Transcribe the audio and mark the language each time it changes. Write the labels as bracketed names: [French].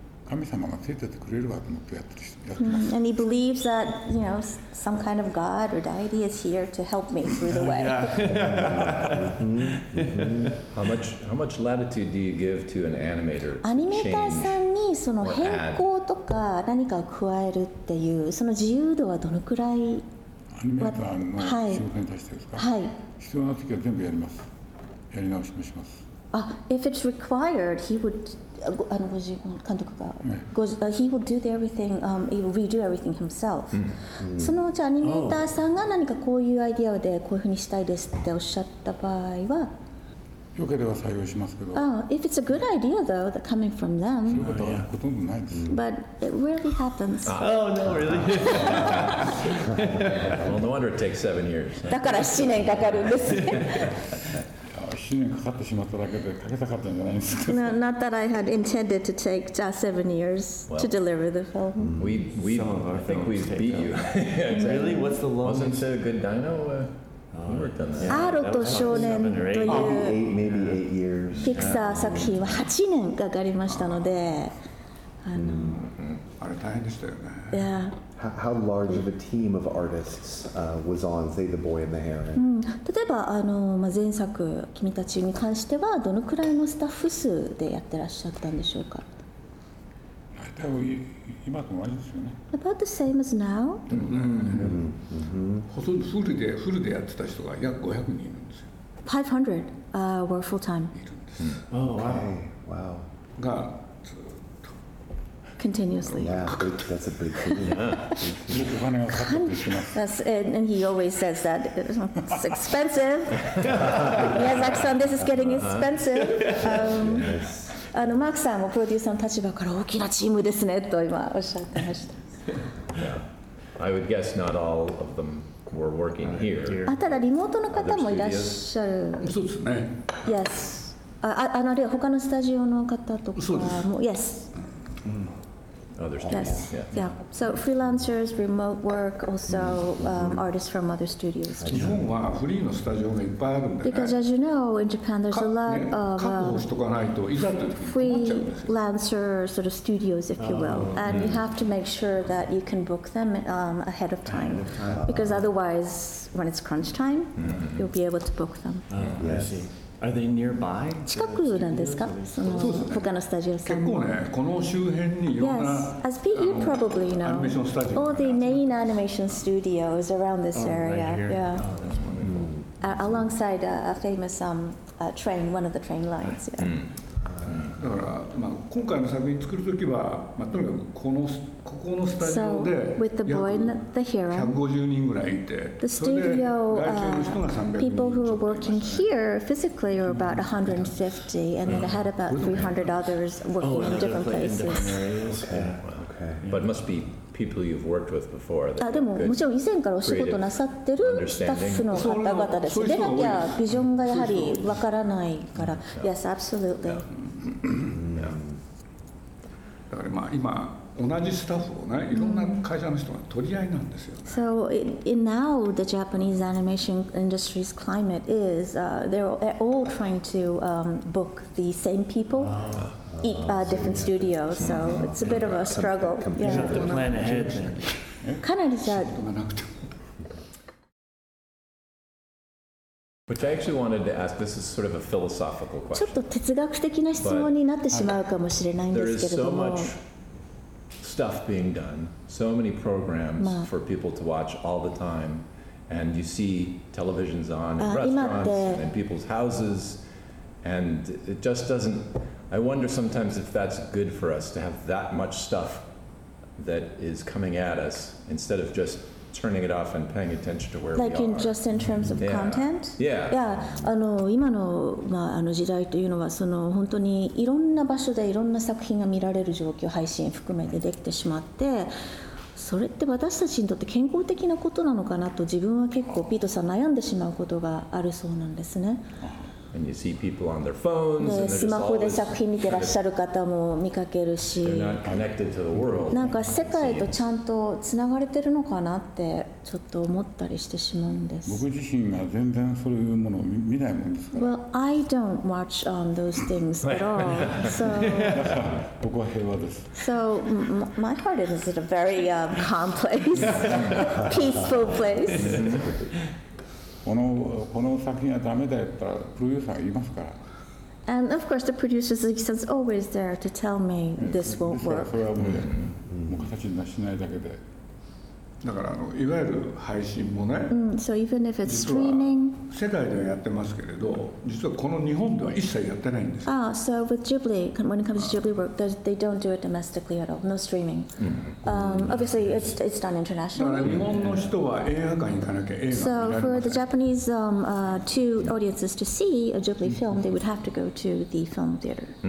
[English] And he believes that you know some kind of god or deity is here to help me through the way. How much latitude do you give to an animator? [Japanese] アニメーターさんにその変更とか何かを加えるっていうその自由度はどのくらい？アニメーターの仕事に対してですか？はい。必要な時は全部やります。やり直しもします。 [English] If it's required, he would. He will do everything. He will redo everything himself. [Japanese] そのじゃアニメーターさんが何かこういうアイディアでこういうふうにしたいですっておっしゃった場合は、よければ採用しますけど。 [English] If it's a good idea though, that coming from them. [Japanese] そういうことはほとんどないです。 [English] But it rarely happens. Oh no, really? Well, no wonder it takes 7 years. [Japanese] だから七年かかるんです。 [English] Not that I had intended to take just 7 years well, to deliver the film. We some of our I think we've beat you. Really? What's the longest? Wasn't it a good dino? [Japanese] Arrow と少年という [English] eight years. [Japanese] ピクサー作品は8年かかりましたので、あれ大変でしたよね。 [English] Yeah. How large of a team of artists was on, say, The Boy and the Heron? [Japanese] 例えば前作君たちに関してはどのくらいのスタッフ数でやってらっしゃったんでしょうか？大体今と同じですよね。 [English] About the same as now? [Japanese] ほとんどフルでやってた人が約500人いるんですよ。 [English] 500 were full-time. [Japanese] いるんです。 [English] Oh, wow. Wow. [Japanese] が [English] continuously. Yeah, that's a big thing. and he always says that it's expensive. Miyazaki-san, this is getting expensive. Yes. [Japanese] Mark-san もプロデューサーの立場から大きなチームですねと今おっしゃってました。 [English] I would guess not all of them were working here. [Japanese] ただリモートの方もいらっしゃる。そうですね。 [English] Yes. [Japanese] あるいは他のスタジオの方とかも。そうです。 [English] Yes. other studios. Yes. Yeah. Yeah. So freelancers, remote work, also artists from other studios. Because as you know, in Japan there's a lot of freelancer sort of studios, if you will. And you have to make sure that you can book them ahead of time. Because otherwise, when it's crunch time, you'll be able to book them. Yes. I see. Are they nearby? [Japanese] 近くなんですか？その他のスタジオさん。結構ね、この周辺にいろんな。 [English] Yes, as you probably know, all the main animation studios around this area. Yeah. Alongside a famous train, one of the train lines. Yeah. [Japanese] だから、まあ今回の作品作るときは、まあとにかくこのここのスタジオで約150 人ぐらいいて、 [English] the studio, people who are working here physically are about 150, and then I had about 300 others working in different places. Okay. But must be people you've worked with before. [Japanese] あ、でももちろん以前からお仕事なさってるスタッフの方々です。でなきゃビジョンがやはりわからないから、 [English] yes, absolutely. [Japanese] だからまあ今同じスタッフをね、いろんな会社の人が取り合いなんですよね。 [English] So in now the Japanese animation industry's climate is they're all trying to book the same people at different studios. So it's a bit of a struggle. You have to plan ahead. [Japanese] かなりじゃ。仕事がなくて。 [English] Which I actually wanted to ask, this is sort of a philosophical question. There is so much stuff being done, so many programs for people to watch all the time, and you see televisions on in restaurants and in people's houses, and it just doesn't... I wonder sometimes if that's good for us to have that much stuff that is coming at us instead of just... turning it off and paying attention to where like we are. Like just in terms of content? Yeah. Yeah. [Japanese] あの、今の、まあ、あの時代というのはその本当にいろんな場所でいろんな作品が見られる状況、配信含めてできてしまって、それって私たちにとって健康的なことなのかなと自分は結構ピートさん悩んでしまうことがあるそうなんですね。 [English] And you see people on their phones. And [Japanese] スマホで作品見てらっしゃる方も見かけるし、なんか世界とちゃんとつながれてるのかなってちょっと思ったりしてしまうんです。僕自身が全然そういうものを見ないもんですから。 [English] Well, I don't watch on those things at all. So, [Japanese] 僕は平和です。 [English] So, my heart is at a very calm place, peaceful place. [Japanese] この作品はダメだったらプロデューサーが言いますから。 [English] And of course the producer is always there to tell me this won't work. [Japanese] それはもう形になしないだけで。だからあのいわゆる配信もね。 [English] So even if it's streaming. [Japanese] 世界ではやってますけれど、実はこの日本では一切やってないんです。 [English] Ah, so with Ghibli, when it comes to Ghibli work, they don't do it domestically at all. No streaming. Obviously, it's done internationally. [Japanese] だから日本の人は映画館に行かなきゃ映画見られません。 [English] So for the Japanese two audiences to see a Ghibli film, they would have to go to the film theater.